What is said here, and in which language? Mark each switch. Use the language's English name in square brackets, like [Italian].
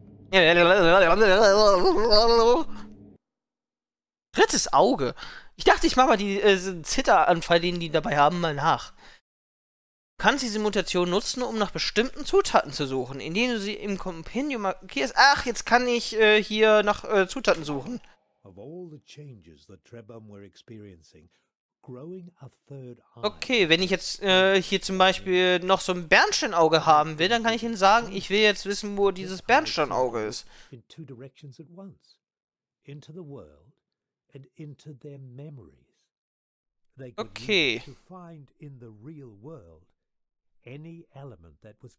[German] Drittes Auge. Ich dachte, ich mach mal die Zitteranfall, den die dabei haben, mal nach. Du kannst diese Mutation nutzen, um nach bestimmten Zutaten zu suchen, indem du sie im Compendium markierst. Ach, jetzt kann ich hier nach Zutaten suchen. [English] Of all the changes that Trebum were experiencing, growing a third eye. [German] Okay, wenn ich jetzt hier zum Beispiel noch so ein Bernsteinauge haben will, dann kann ich ihnen sagen, ich will jetzt wissen, wo dieses Bernsteinauge ist. [English] In two directions at once, into the world and into their memories. They could okay. To find in the real world any element that was